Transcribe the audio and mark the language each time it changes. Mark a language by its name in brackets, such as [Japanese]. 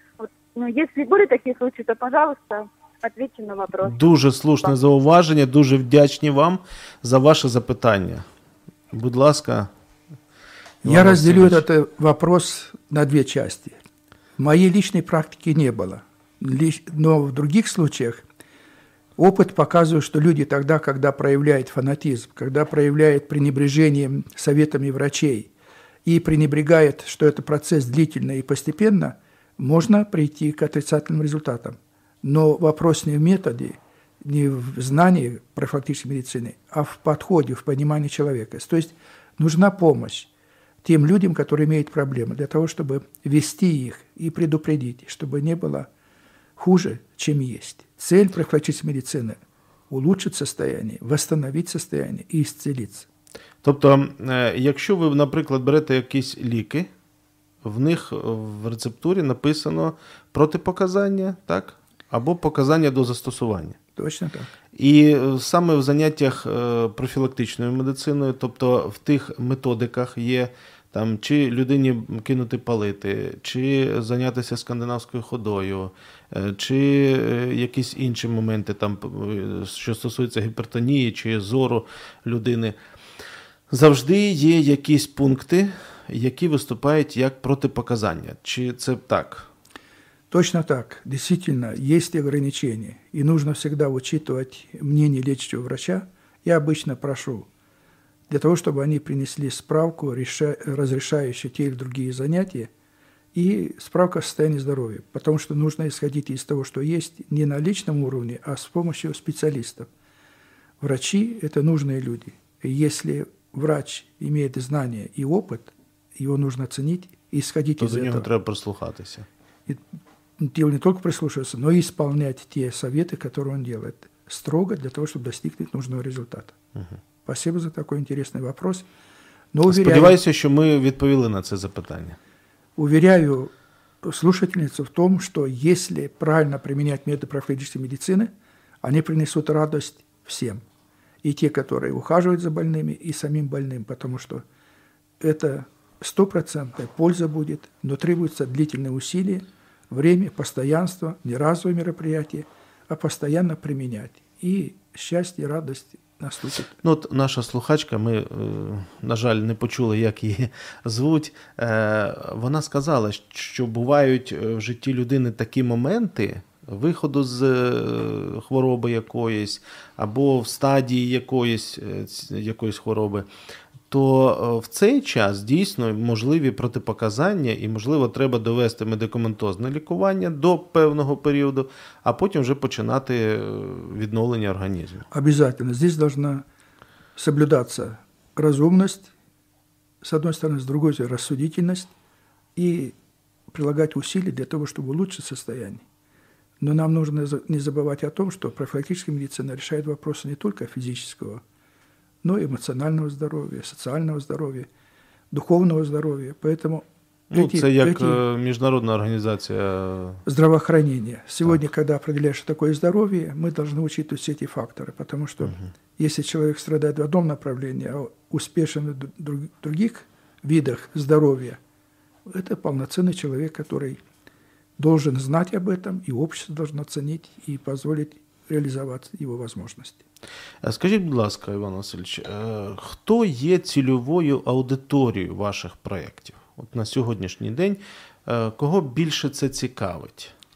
[Russian] Вот, ну, если были такие случаи, то, пожалуйста, ответьте на вопрос. [Ukrainian] Дуже слушне зауваження, дуже вдячні вам за ваше запитання. Будь ласка. [Russian] Я разделю этот вопрос на две части. В моей личной практике не было, но в других случаях опыт показывает, что люди тогда, когда проявляют фанатизм, когда проявляют пренебрежение советами врачей и пренебрегают, что этот процесс длительный и постепенно, можно прийти к отрицательным результатам. Но вопрос не в методе, не в знании профилактической медицины, а в подходе, в понимании человека. То есть нужна помощь тем людям, которые имеют проблемы, для того, чтобы вести их и предупредить, чтобы не было хуже, чем есть. [Ukrainian] Цель профілактичної медицини – улучшити состояние, восстановити состояние і ісцелитися. Тобто, якщо ви, наприклад, берете якісь ліки, в них в рецептурі написано протипоказання, так? Або показання до застосування. Точно так. І саме в заняттях профілактичною медициною, тобто в тих методиках є, там, чи людині кинути палити, чи зайнятися скандинавською ходою, чи якісь інші моменти, там, що стосується гіпертонії чи зору людини. Завжди є якісь пункти, які виступають як протипоказання. Чи це так? Точно так. Дійсно, є обмеження. І потрібно завжди учитувати мнення лікаря [Russian] я обычно прошу для того, чтобы они принесли справку, разрешающую те или другие занятия, и справка о состоянии здоровья. Потому что нужно исходить из того, что есть не на личном уровне, а с помощью специалистов. Врачи – это нужные люди. И если врач имеет знания и опыт, его нужно ценить и исходить то из этого. То за него нужно прислушаться. Дело не только прислушиваться, но и исполнять те советы, которые он делает, строго для того, чтобы достигнуть нужного результата. Угу. Спасибо за такой интересный вопрос. [Ukrainian] Сподіваюся, що ми відповіли на це запитання. [Russian] Уверяю слушательницу в том, что если правильно применять методы профилактической медицины, они принесут радость всем. И те, которые ухаживают за больными, и самим больным. Потому что это 100% польза будет, но требуются длительные усилия, время, постоянство, не разовое мероприятие, а постоянно применять. И счастье, и радость. [Ukrainian] Ну, от наша слухачка, ми, на жаль, не почули, як її звуть, вона сказала, що бувають в житті людини такі моменти виходу з хвороби якоїсь або в стадії якоїсь хвороби, то в цей час дійсно можливі протипоказання і, можливо, треба довести медикаментозне лікування до певного періоду, а потім вже починати відновлення організму. Обов'язково. [Russian] Здесь должна соблюдаться [Ukrainian] розумність, з одної сторони, з другої сторони, розсудительність і прилагати усилля для того, щоб улучшити стан. [Russian] Но нам нужно не забывать о том, что профилактическая медицина решает вопросы не только физического, но и эмоционального здоровья, социального здоровья, духовного здоровья. Поэтому международная организация здравоохранения. Сегодня, так, когда определяешь такое здоровье, мы должны учитывать все эти факторы, потому что угу, если человек страдает в одном направлении, а успешен в других видах здоровья, это полноценный человек, который должен знать об этом, и общество должно ценить и позволить реализовать его возможности. [Ukrainian] Скажіть, будь ласка, Іван Васильович, хто є цільовою аудиторією ваших проєктів? От на сьогоднішній день кого більше це цікавить?